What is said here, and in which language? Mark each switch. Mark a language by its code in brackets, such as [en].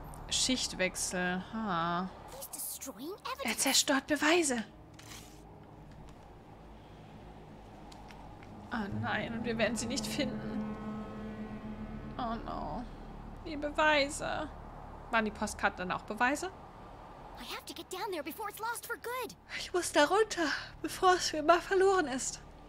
[de] Schichtwechsel. Ha. Er zerstört Beweise. Ah nein, und wir werden sie nicht finden. [en] Oh no. [de] Die Beweise. Waren die Postkarten dann auch Beweise? [en] I have to get down there before it's lost for good. [de] Ich muss da runter, bevor es für immer verloren ist.